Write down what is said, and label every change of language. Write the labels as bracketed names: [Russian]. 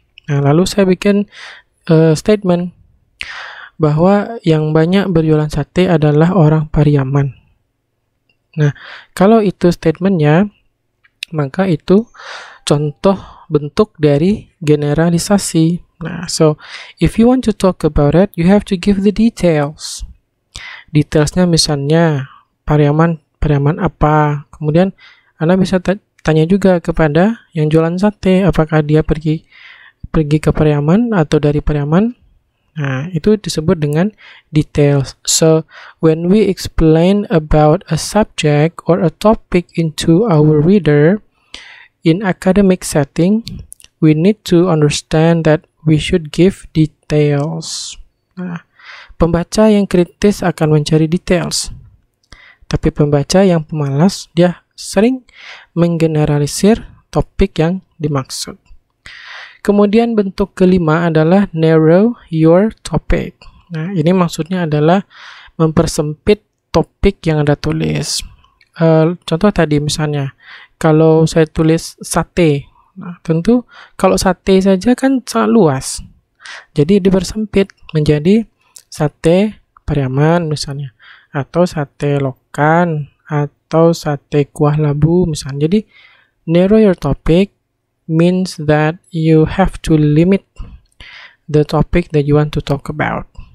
[Indonesian] Nah, lalu saya bikin statement bahwa yang banyak berjualan sate adalah orang Pariaman. Nah, kalau itu statementnya, maka itu contoh bentuk dari generalisasi. [English] Nah, so if you want to talk about it, you have to give the details. [Indonesian] Detailsnya misalnya Pariaman apa? Kemudian Anda bisa tanya juga kepada yang jualan sate, apakah dia pergi ke Pariaman atau dari Pariaman. Nah, itu disebut dengan details. [English] So, when we explain about a subject or a topic into our reader in academic setting, we need to understand that we should give details. [Indonesian] Nah, pembaca yang kritis akan mencari details. Tapi pembaca yang pemalas, dia sering menggeneralisir topik yang dimaksud. Kemudian bentuk kelima adalah [English] narrow your topic. [Indonesian] Nah, ini maksudnya adalah mempersempit topik yang Anda tulis. Contoh tadi misalnya, kalau saya tulis sate, nah, tentu kalau sate saja kan sangat luas. Jadi dipersempit menjadi sate Pariaman misalnya, atau sate Lokan, atau sate kuah labu misalnya. [English] Jadi narrow your topic means that you have to limit the topic that you want to talk about.